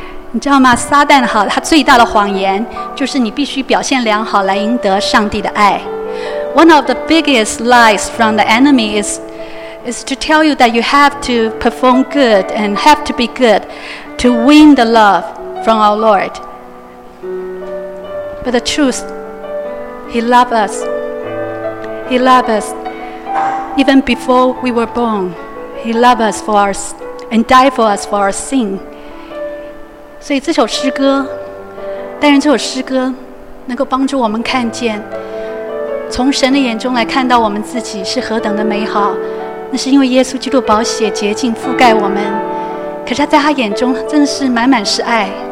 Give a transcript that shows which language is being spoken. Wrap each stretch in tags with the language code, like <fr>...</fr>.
<zh>你知道吗？撒旦好，他最大的谎言就是你必须表现良好来赢得上帝的爱。</zh> <en>One of the biggest lies from the enemy is to tell you that you have to perform good and have to be good to win the love from our Lord. But the truth, He loved us. He loved us even before we were born. He loved us for us and died for us for our sin.</en> <zh>所以这首诗歌，但愿这首诗歌能够帮助我们看见，从神的眼中来看到我们自己是何等的美好。那是因为耶稣基督宝血洁净覆盖我们，可是在他眼中真的是满满是爱。</zh>